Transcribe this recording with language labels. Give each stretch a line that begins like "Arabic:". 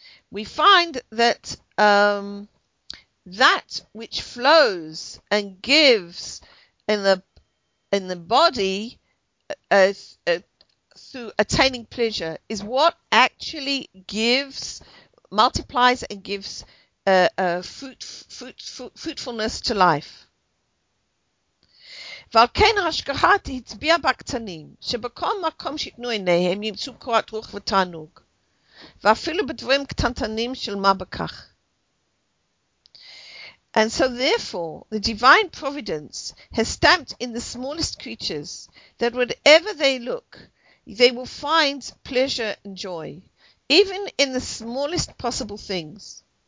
English: We find that that which flows and gives in the body through attaining pleasure is what actually gives, multiplies and gives fruitfulness to life.
Hebrew: ועל כן ההשגחה תצביע בקטנים, שבכל מקום שיתנו עיניהם ימצאו קורת רוח ותענוג, ואפילו בדברים קטנטנים של מה בכך.
English: And so therefore, the divine providence has stamped in the smallest creatures that wherever they look, they will find pleasure and joy, even in the smallest possible things.